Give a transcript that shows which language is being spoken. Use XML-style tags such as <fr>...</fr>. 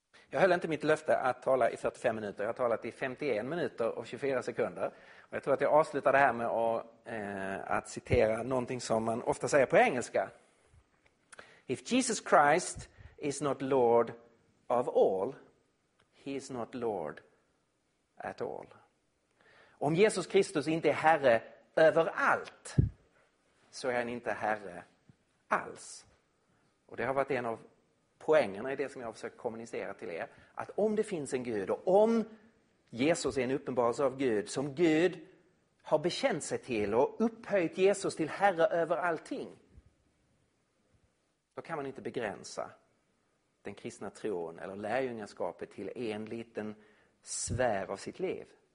<sv>Jag höll inte mitt löfte att tala i 45 minuter. Jag har talat i 51 minuter och 24 sekunder. Och jag tror att jag avslutar det här med att citera någonting som man ofta säger på engelska.</sv> <en>If Jesus Christ is not Lord of all, he is not Lord at all.</en> <sv>Om Jesus Kristus inte är herre överallt, så är han inte herre alls. Och det har varit en av poängerna i det som jag har försökt kommunicera till er. Att om det finns en Gud, och om Jesus är en uppenbarelse av Gud, som Gud har bekänt sig till och upphöjt Jesus till herre över allting, då kan man inte begränsa den kristna tron eller lärjungaskapet till en liten sfär av sitt liv.</sv>